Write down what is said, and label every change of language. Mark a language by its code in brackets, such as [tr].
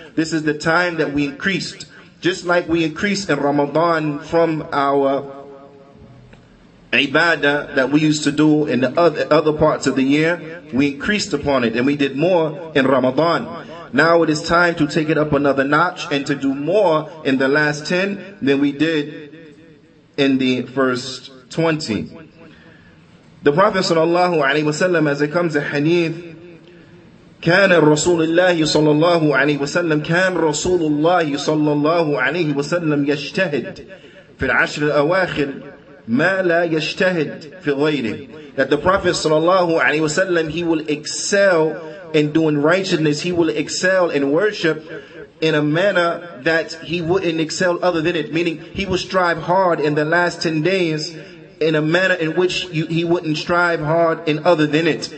[en] This is the time that we increased. Just like we increase in Ramadan from our ibadah that we used to do in the other parts of the year, we increased upon it and we did more in Ramadan. Now it is time to take it up another notch and to do more in the last 10 than we did in the first 20. The Prophet sallallahu alaihi wasallam, as it comes in hadith, [ar] كَانَ رَسُولُ اللَّهِ صَلَّى اللَّهُ عَلَيْهِ وَسَلَّمَ كَانَ رَسُولُ اللَّهِ صَلَّى اللَّهُ عَلَيْهِ وَسَلَّمَ يَشْتَهِدْ فِي الْعَشْرِ الْأَوَاخِرِ مَا لَا يَشْتَهِدْ فِي غَيْرِهِ. [en] That the Prophet sallallahu alaihi wasallam, he will excel in doing righteousness, he will excel in worship in a manner that he wouldn't excel other than it. Meaning, he will strive hard in the last 10 days in a manner in which he wouldn't strive hard in other than it.